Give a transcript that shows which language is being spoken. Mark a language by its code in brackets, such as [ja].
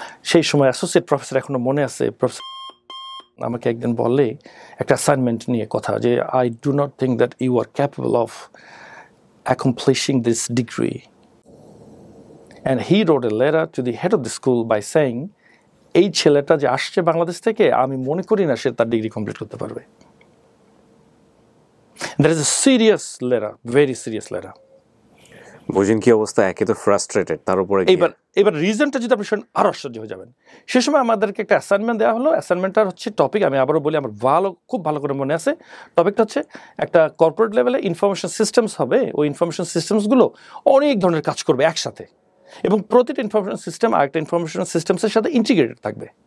[bn] সেই সময় associate professor, এখনও মনে আছে, প্রফেসর আমাকে একদিন বললে একটা অ্যাসাইনমেন্ট নিয়ে কথা, যে [en] I do not think that you are capable of accomplishing this degree, and he wrote a letter to the head of the school by saying, [bn] এই ছেলেটা যে আসছে বাংলাদেশ থেকে আমি মনে করি না সে তার ডিগ্রি কমপ্লিট করতে পারবে। [en] There is a serious letter, very serious letter. [bn] বুঝেন কি অবস্থা, একে তো ফ্রাস্ট্রেটেড, তার উপরে এবার রিজনটা যদি আপনি শুনেন আরও আশ্চর্য হয়ে যাবেন। সে সময় আমাদেরকে একটা অ্যাসাইনমেন্ট দেওয়া হলো, অ্যাসাইনমেন্টটা হচ্ছে টপিক, আমি আবারও বলি আমার ভালো খুব ভালো করে মনে আছে, টপিকটা হচ্ছে একটা কর্পোরেট লেভেলে ইনফরমেশন সিস্টেমস হবে, ওই ইনফরমেশন সিস্টেমসগুলো অনেক ধরনের কাজ করবে একসাথে, এবং প্রতিটা ইনফরমেশন সিস্টেম আরেকটা ইনফরমেশন সিস্টেমসের সাথে ইন্টিগ্রেটেড থাকবে।